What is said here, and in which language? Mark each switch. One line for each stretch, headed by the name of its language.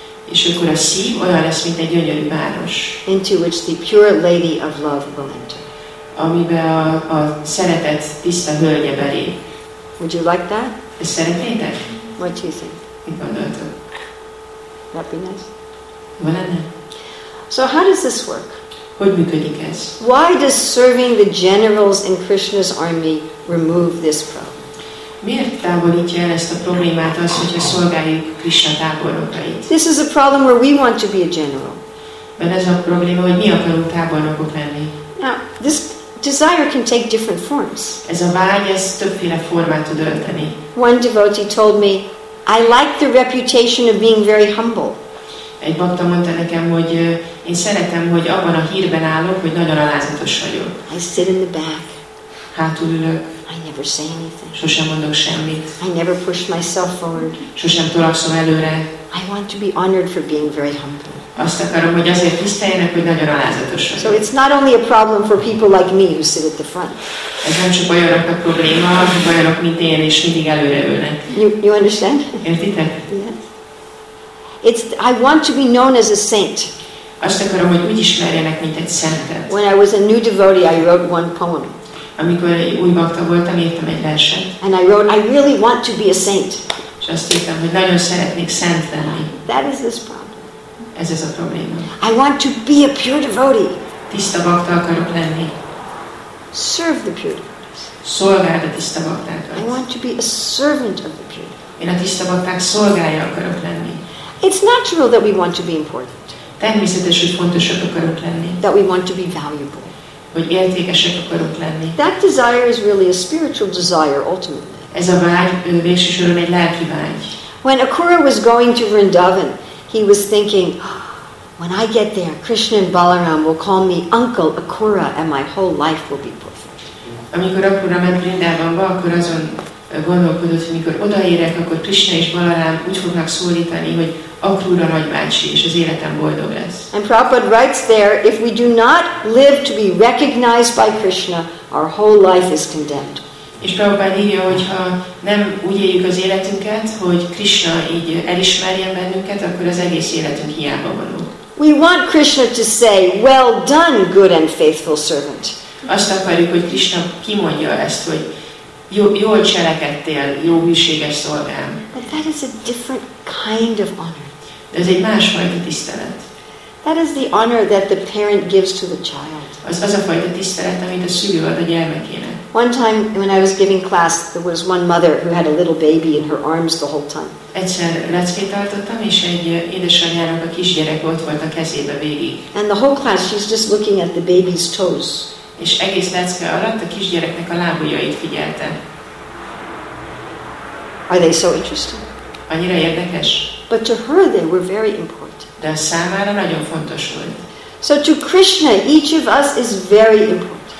Hungarian: És akkor a szív olyan lesz, mint egy gyönyörű város.
English: Into which the pure lady of love will enter.
Hungarian: Amibe a szeretet tiszta hölgye belé.
English: Would you like that?
Hungarian: Ezt szeretnétek?
English: What do you think?
Hungarian: Mit gondoltok?
English: That'd be nice.
Hungarian: Van enne?
English: So how does this work?
Hungarian: Hogy működik ez?
English: Why does serving the generals in Krishna's army remove this problem?
Hungarian: Miért távolítja el ezt a problémát az, hogyha szolgáljuk Krisna tábornokait?
English: This is a problem where we want to be a general.
Hungarian: Mert ez a probléma, hogy mi akarunk tábornokok lenni.
English: Now, this desire can take different forms.
Hungarian: Ez a vágy, ez többféle formát tud ölteni.
English: One devotee told me, I like the reputation of being very humble.
Hungarian: Egy bhakta mondta nekem, hogy én szeretem, hogy abban a hírben állok, hogy nagyon alázatos vagyok.
English: I sit in the back.
Hungarian: Hátul ülök.
English: I never say anything.
Hungarian: Sosem mondok semmit.
English: I never push myself forward.
Hungarian: Sosem tolakszom előre.
English: I want to be honored for being very humble.
Hungarian: Azt akarom, hogy azért tiszteljenek, hogy nagyon alázatos vagyok.
English: So it's not only a problem for people like me who sit at the front.
Hungarian: Ez nem csak olyanok a probléma, hanem olyanok, mint én, és mindig előre ülnek.
English: You understand?
Hungarian: Értitek?
English: I want to be known as a saint.
Hungarian: Azt akarom, hogy úgy ismerjenek, mint egy szentet.
English: When I was a new devotee, I wrote one poem.
Hungarian: Amikor új bhakta voltam, írtam egy verset.
English: And I wrote, I really want to be a saint.
Hungarian: És azt írtam, hogy nagyon szeretnék szent lenni.
English: That is this problem.
Hungarian: Ez az a probléma.
English: I want to be a pure devotee.
Hungarian: Tiszta bhakta akarok lenni.
English: Serve the pure devotees.
Hungarian: Szolgáld a tiszta bhaktákat.
English: I want to be a servant of the pure.
Hungarian: Én a tiszta bhakták szolgálja akarok lenni.
English: It's natural that we want to be important.
Hungarian: Természetes, hogy fontosak akarunk lenni.
English: That we want to be valuable.
Hungarian: Hogy értékesek akarunk lenni.
English: That desire is really a spiritual desire ultimately.
Hungarian: Ez a vágy végsősorban egy lelki vágy.
English: When Akura was going to Vrindavan, he was thinking, when I get there, Krishna and Balaram will call me Uncle Akura and my whole life will be perfect.
Hungarian: Amikor Akura ment Vrindavanba, akkor azon gondolkodott, hogy mikor odaérek, akkor Krishna és Balaram úgy fognak szólítani, hogy Akura nagybácsi, és az életem boldog lesz.
English: And Prabhupada writes there, if we do not live to be recognized by Krishna, our whole life is condemned.
Hungarian: És Prabhupada írja, hogyha nem úgy éljük az életünket, hogy Krishna így elismerjen bennünket, akkor az egész életünk hiába való.
English: We want Krishna to say, well done, good and faithful servant.
Hungarian: Azt akarjuk, hogy Krishna kimondja ezt, hogy jól cselekedtél, jó hűséges szolgám.
English: But that is a different kind of honor.
Hungarian: Ez egy másfajta tisztelet.
English: That is the honor that the parent gives to the child.
Hungarian: Az a fajta tisztelet, amit a szülő ad a gyermekének.
English: One time when I was giving class, there was one mother who had a little baby in her arms the whole time.
Hungarian: Egyszer leckét tartottam, és egy édesanyjának a kisgyerek ott volt a kezébe végig.
English: And the whole class, she's just looking at the baby's toes.
Hungarian: És egész lecke alatt a kisgyereknek a lábujjait figyelte.
English: Are they so interesting?
Hungarian: Annyira érdekes.
English: But to her they were very important.
Hungarian: De a számára nagyon fontos volt.
English: So to Krishna, each of us is very important.